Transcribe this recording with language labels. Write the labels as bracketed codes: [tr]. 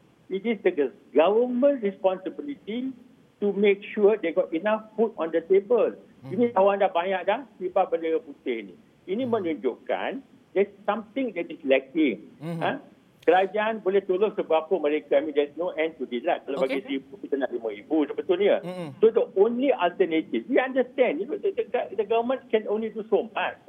[en] It is the government responsibility to make sure they got enough food on the table. [ms] Ini kawan dah banyak dah, sifat bendera putih ni. Ini menunjukkan [en] there's something that is lacking. [ms] Kerajaan boleh tolong seberapa mereka. [en] I mean, there's no end to this lah. [ms] Kalau bagi 1,000, kita nak 5,000. Sebetulnya. [en] So the only alternative, we understand, you know, the government can only do so much.